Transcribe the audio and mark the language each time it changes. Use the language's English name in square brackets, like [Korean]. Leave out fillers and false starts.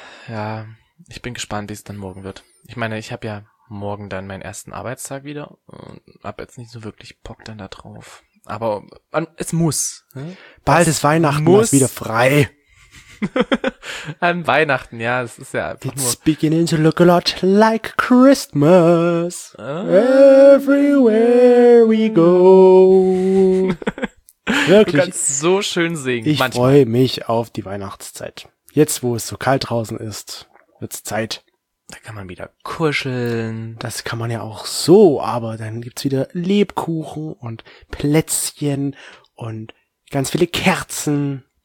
[German] Ja, ich bin gespannt, wie es dann morgen wird. Ich meine, ich habe ja morgen dann meinen ersten Arbeitstag wieder und habe jetzt nicht so wirklich Bock dann da drauf. Aber es muss. Hm? Bald es ist Weihnachten, muss. Du hast wieder frei. An Weihnachten, ja, das ist ja einfach [English] It's [German] nur... [English] It's beginning to look a lot like Christmas, everywhere we go. [German] Wirklich. Du kannst so schön singen. Ich freue mich auf die Weihnachtszeit. Jetzt, wo es so kalt draußen ist, wird's Zeit. Da kann man wieder kuscheln. Das kann man ja auch so, aber dann gibt's wieder Lebkuchen und Plätzchen und ganz viele Kerzen.